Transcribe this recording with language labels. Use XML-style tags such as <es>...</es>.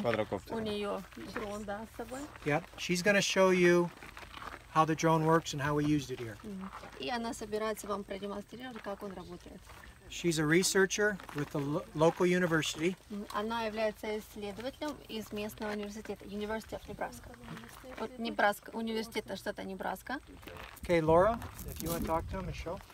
<ru>Квадрокоптер. У неё дрон, да, с собой.</ru> <en>Yeah, she's going to show you how the drone works and how we used it here.</en> <ru>И она собирается вам продемонстрировать, как он работает.</ru> <en>She's a researcher with the local university.</en> <ru>Она является исследователем из местного университета, University of Nebraska. Небраска, университет штата Небраска.</ru> <en>Okay, Laura, if you want to talk to him, show.</en>